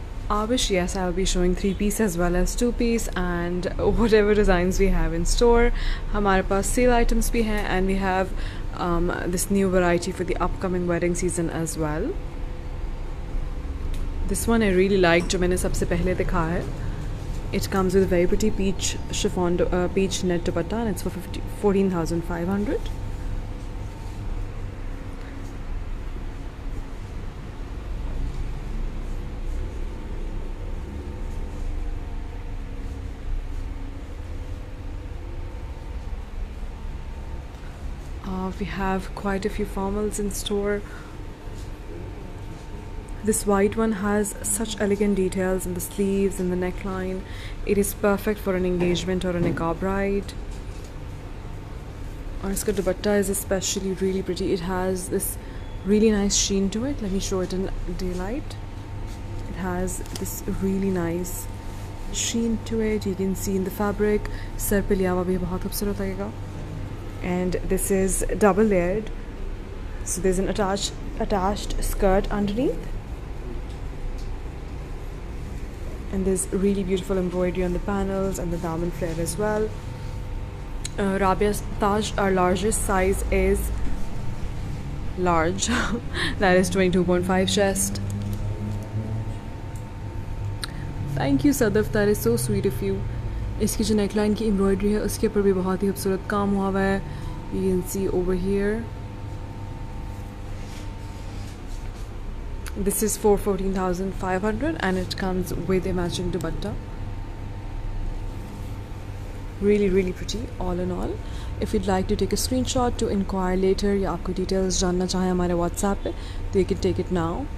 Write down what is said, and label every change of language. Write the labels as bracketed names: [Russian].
[English] Yes, I'll be showing 3-piece as well as 2-piece and whatever designs we have in store. [Urdu] हमारे पास sale items भी हैं [English] and we have this new variety for the upcoming wedding season as well. This one I really liked, [Urdu] जो मैंने सबसे पहले दिखा है। [English] It comes with a very pretty peach chiffon, peach net dupatta, and it's for 14,500. We have quite a few formals in store. This white one has such elegant details in the sleeves and the neckline. It is perfect for an engagement or a nikah bride. [Urdu] Aur iska [English] dupatta is especially really pretty. It has this really nice sheen to it. Let me show it in daylight. It has this really nice sheen to it. You can see in the fabric. [Urdu] سر پہ لیا ہوا بھی بہت خوبصورت لگے گا۔ [English] And this is double layered. So there's an attached skirt underneath. And there's really beautiful embroidery on the panels and the diamond flare as well. Rabia's Taj, our largest size is large. That is 22.5 chest. Thank you, Sadaf. That is so sweet of you. [Urdu] اس کی جو نیک line کی embroidery ہے، اس کے اوپر بھی بہت ہی خوبصورت کام ہوا ہے۔ [English] You can see over here. This is for 14,500 and it comes with a matching dupatta. Really, really pretty all in all. If you'd like to take a screenshot to inquire later, [Urdu] ya aapko details janna chahe hamare WhatsApp pe, [English] then you can take it now.